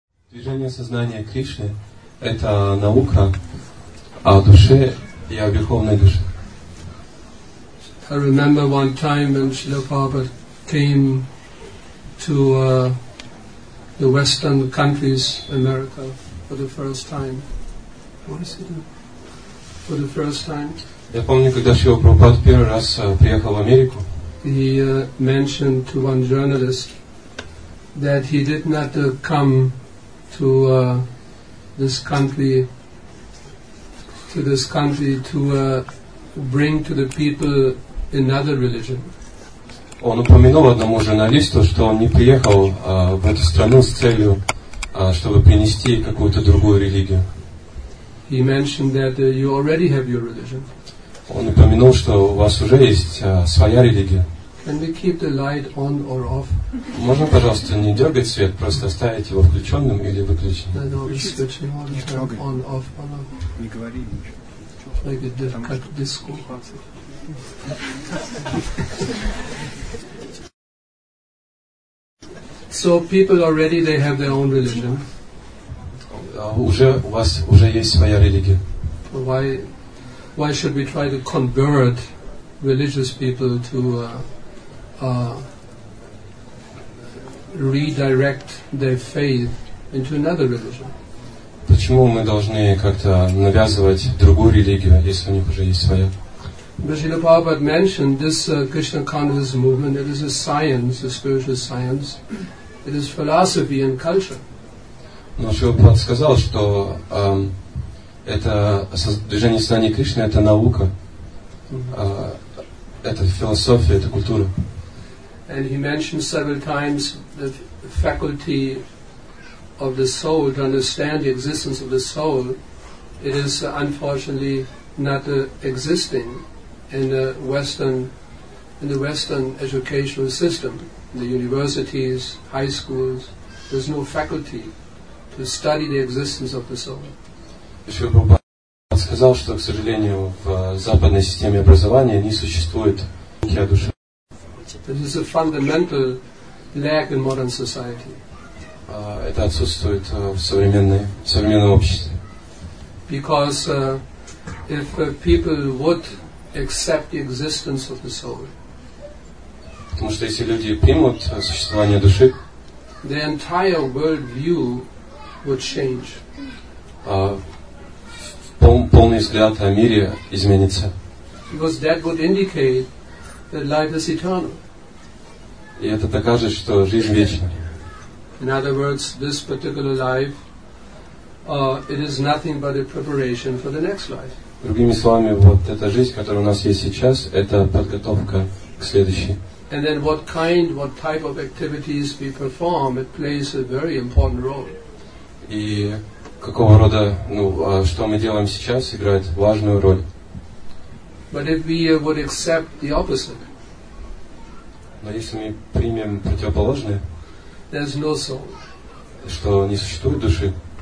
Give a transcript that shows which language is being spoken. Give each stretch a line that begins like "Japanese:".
Russian: достижение сознания Кришны – это наука о душе и о верховной душе.
English: I remember one time when Srila Prabhupada came to the Western countries, America, for the first time. What is it? For the first time.
Russian: Я помню, когда Шрила Прабхупад первый раз приехал в Америку.
English: He mentioned to one journalist that he did not come to this country, to bring to the people another religion.
Russian: Он упомянул одному журналисту, что он не приехал в эту страну с целью, чтобы принести какую-то другую религию.
English: He mentioned that you already have your religion.
Russian: Он упомянул, что у вас уже есть своя религия.
English: Can we keep the light on or off?
Russian: Можно, пожалуйста, не дергать свет, просто оставить его включенным или выключенным?
English: No, no, we're switching all the time on, off, on, off.
Russian: Не говори ничего.
English: Like a different,
Russian: как диско.
English: So people already, they have their own religion.
Russian: Уже у вас уже есть своя религия.
English: Why should we try to convert religious people to redirect their faith into another religion?
Russian: Почему мы должны как-то навязывать другую религию, если у них уже есть своя?
English: But Srila Prabhupada mentioned this Krishna consciousness movement, it is a science, a spiritual science. It is philosophy and culture.
Russian: Но Шрила Прабхупада сказал, что это движение сознания Кришны – это наука, это философия, это культура.
English: And he mentioned several times the faculty of the soul to understand the existence of the soul. It is unfortunately not existing in the Western educational system. The universities, high schools, there's no faculty to study the existence of the soul.
Russian: Шрила Прабхупада сказал, что, к сожалению, в западной системе образования не существует науки о душе.
English: This is a fundamental lack in modern society.
Russian: Это отсутствует в современном обществе.
English: Because if people would accept the existence of the soul,
Russian: потому что если люди примут существование души,
English: the entire world view would change.
Russian: Полный взгляд о мире изменится.
English: Because that would indicate that life is eternal.
Russian: И это докажет, что жизнь вечна.
English: In other words, this particular life, it is nothing but a preparation for the next life.
Russian: Другими словами, вот эта жизнь, которая у нас есть сейчас, это подготовка к следующей.
English: And then what type of activities we perform, it plays a very important role.
Russian: И какого рода, что мы делаем сейчас, играет важную роль.
English: But if we would accept the opposite,
Russian: но если мы примем противоположное,
English: there's no soul.
Russian: Что не существует души.